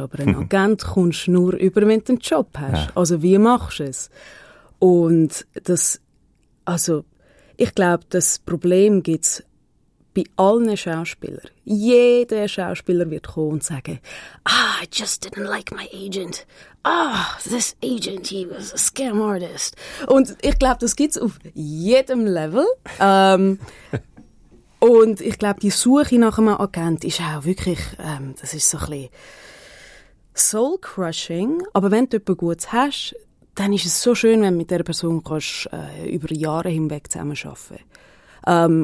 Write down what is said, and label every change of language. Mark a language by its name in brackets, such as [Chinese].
[German] Aber einen Agent kommst du nur über, wenn du einen Job hast. Ja. Also, wie machst du es? Und das, also, ich glaube, das Problem gibt es bei allen Schauspielern. Jeder Schauspieler wird kommen und sagen, ah, [English] I just didn't like my agent. Ah, this agent, he was a scam artist. [German] Und ich glaube, das gibt es auf jedem Level. Und ich glaube, die Suche nach einem Agent ist auch wirklich, das ist so ein bisschen soul-crushing. Aber wenn du jemanden Gutes hast, dann ist es so schön, wenn du mit dieser Person kannst, über Jahre hinweg zusammenarbeiten.